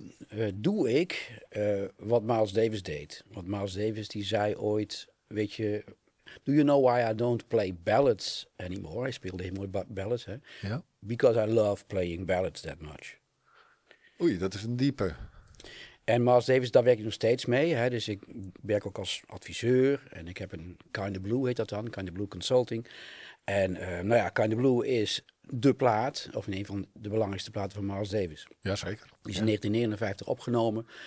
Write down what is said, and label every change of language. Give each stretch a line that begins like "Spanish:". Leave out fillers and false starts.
Dutch: Eigenlijk doe ik wat Miles Davis deed. Want Miles Davis die zei ooit, weet je,
English: do you know why I don't play ballads anymore?
Dutch: Hij speelde heel mooi ballads, hè? Ja.
English: Because I love playing ballads that much.
Dutch: Oei, dat is een diepe. En Miles Davis, daar werk ik nog steeds mee. Hè? Dus ik werk ook als adviseur en ik heb een Kind of Blue, heet dat dan, Kind of Blue Consulting. En Kind of Blue is de plaat, of in een van de belangrijkste platen van Miles Davis. Jazeker. Die is in 1959 opgenomen.